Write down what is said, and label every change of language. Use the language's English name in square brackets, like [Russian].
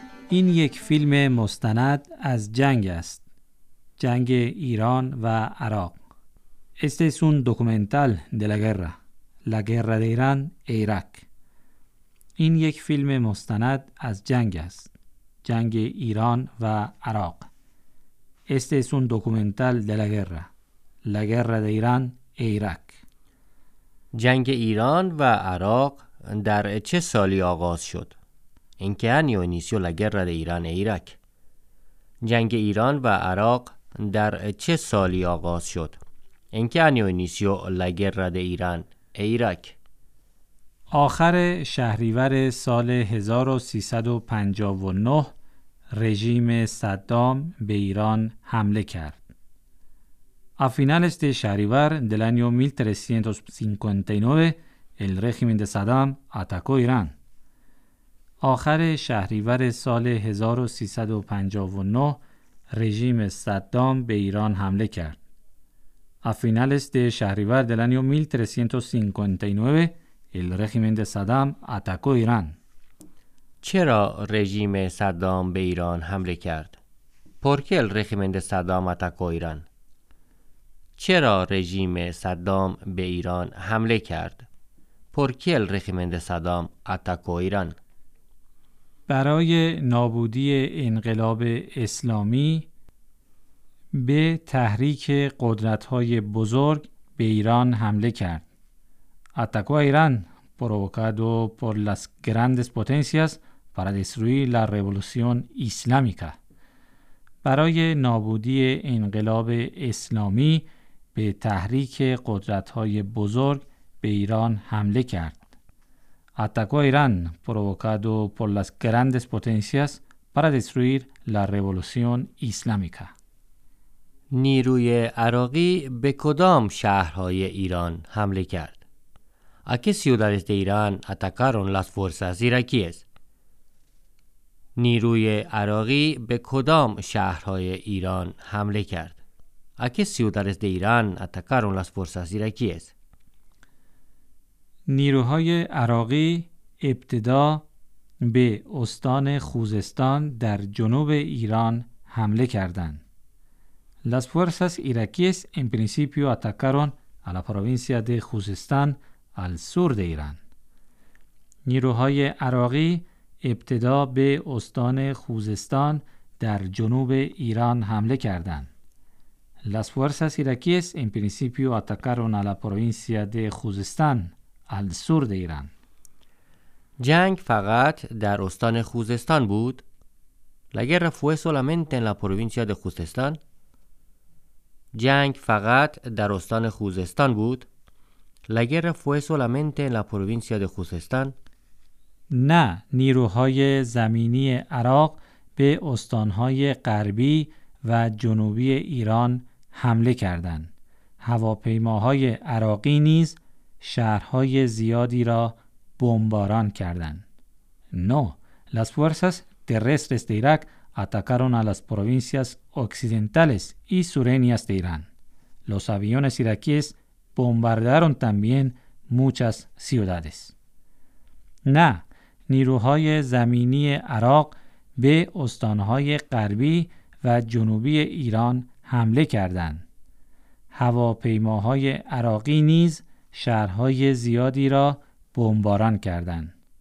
[Persian] این یک فیلم مستند از جنگ است. جنگ ایران و عراق. [Spanish] Este es un documental de la guerra. La guerra de Irán e Irak. [Persian] این یک فیلم مستند از جنگ است. جنگ ایران و عراق. [Spanish] Este es un documental de la guerra. La guerra de Irán e Irak. [Persian] جنگ ایران و عراق در چه سالی آغاز شد؟ [Spanish] ¿En qué año inició la guerra de Irán e Irak? [Persian] جنگ ایران و عراق در چه سالی آغاز شد؟ [Spanish] ¿En qué año inició la guerra de Irán e Irak? [Persian] آخر شهریور سال 1359 رژیم صدام به ایران حمله کرد. [Spanish] A finales de شهریور del año 1359 el régimen de Saddam atacó Irán. [Persian] آخر شهریور سال 1359 رژیم صدام به ایران حمله کرد. [Spanish] A finales de شهریور del año 1359 El régimen de Saddam atacó Irán. [Persian] چرا رژیم صدام به ایران حمله کرد؟ [Spanish] ¿Por qué el régimen de Saddam atacó Irán? [Persian] چرا رژیم صدام به ایران حمله کرد؟ [Spanish] ¿Por qué el régimen de Saddam atacó Irán? [Persian] برای نابودی انقلاب اسلامی به تحریک قدرت‌های بزرگ به ایران حمله کرد. [Spanish] Atacó a Irán, provocado por las grandes potencias para destruir la revolución islámica. [Persian] برای نابودی انقلاب اسلامی به تحریک قدرت‌های بزرگ به ایران حمله کرد. [Spanish] Atacó a Irán, provocado por las grandes potencias para destruir la revolución islámica. [Persian] نیروی عراقی به کدام شهرهای ایران حمله کرد؟ [Spanish] ¿A qué ciudades de Irán atacaron las fuerzas iraquíes? [Persian] نیروی عراقی به کدام شهرهای ایران حمله کرد؟ [Spanish] ¿A qué ciudades de Irán atacaron las fuerzas iraquíes? [Persian] نیروهای عراقی ابتدا به استان خوزستان در جنوب ایران حمله کردند. [Spanish] Las fuerzas iraquíes en principio atacaron a la provincia de Khuzestan al sur de Irán. [Persian] نیروهای عراقی ابتدا به استان خوزستان در جنوب ایران حمله کردند. [Spanish] Las fuerzas iraquíes en principio atacaron a la provincia de Khuzestan al sur de Irán. [Persian] جنگ فقط در استان خوزستان بود؟ [Spanish] La guerra fue solamente en la provincia de Khuzestan. [Persian] جنگ فقط در استان خوزستان بود. [Spanish] La guerra fue solamente en la provincia de Khuzestan. [Persian] نه، نیروهای زمینی عراق به استانهای غربی و جنوبی ایران حمله کردند. هواپیماهای عراقی نیز شهرهای زیادی را بمباران کردند. [Spanish] نه، las fuerzas terrestres de Irak atacaron a las provincias occidentales y sureñas de Irán. Los aviones iraquíes bombardearon también muchas ciudades. [Persian] نه، نیروهای زمینی عراق به استانهای غربی و جنوبی ایران حمله کردند. هواپیماهای عراقی نیز شهرهای زیادی را بمباران کردند.